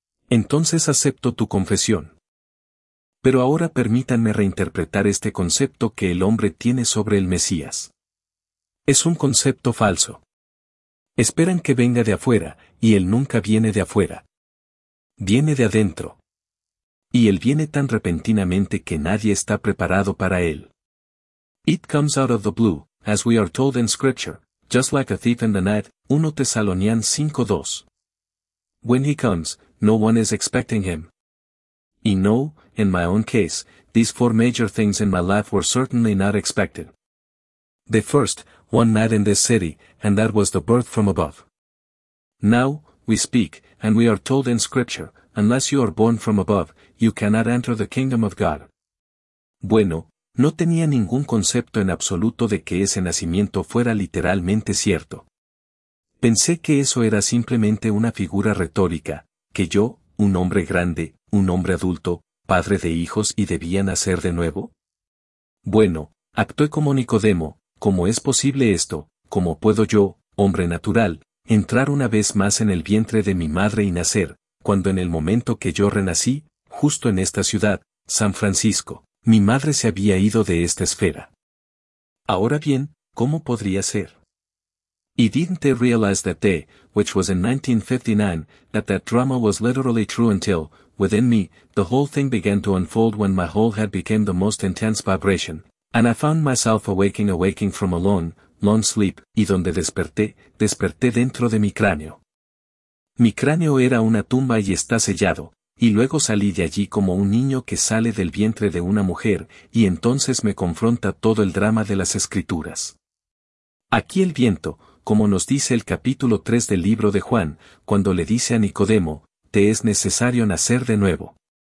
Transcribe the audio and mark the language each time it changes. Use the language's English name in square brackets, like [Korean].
[Spanish] Entonces acepto tu confesión. Pero ahora permítanme reinterpretar este concepto que el hombre tiene sobre el Mesías. Es un concepto falso. Esperan que venga de afuera, y él nunca viene de afuera. Viene de adentro. Y él viene tan repentinamente que nadie está preparado para él. [English] It comes out of the blue, as we are told in Scripture. Just like a thief in the night, 1 Tesalonians 5:2. When he comes, no one is expecting him. Y no, in my own case, these four major things in my life were certainly not expected. The first, one night in this city, and that was the birth from above. Now, we speak, and we are told in Scripture, unless you are born from above, you cannot enter the kingdom of God. [Spanish] Bueno. No tenía ningún concepto en absoluto de que ese nacimiento fuera literalmente cierto. Pensé que eso era simplemente una figura retórica, que yo, un hombre grande, un hombre adulto, padre de hijos y debía nacer de nuevo. Bueno, actué como Nicodemo, ¿cómo es posible esto? ¿Cómo puedo yo, hombre natural, entrar una vez más en el vientre de mi madre y nacer, cuando en el momento que yo renací, justo en esta ciudad, San Francisco? Mi madre se había ido de esta esfera. Ahora bien, ¿cómo podría ser? [English] Y didn't they realize that day, which was in 1959, that drama was literally true until, within me, the whole thing began to unfold when my whole head became the most intense vibration, and I found myself awaking from a long, long sleep, [Spanish] y donde desperté dentro de mi cráneo. Mi cráneo era una tumba y está sellado. Y luego salí de allí como un niño que sale del vientre de una mujer, y entonces me confronta todo el drama de las Escrituras. Aquí el viento, como nos dice el capítulo 3 del libro de Juan, cuando le dice a Nicodemo, te es necesario nacer de nuevo.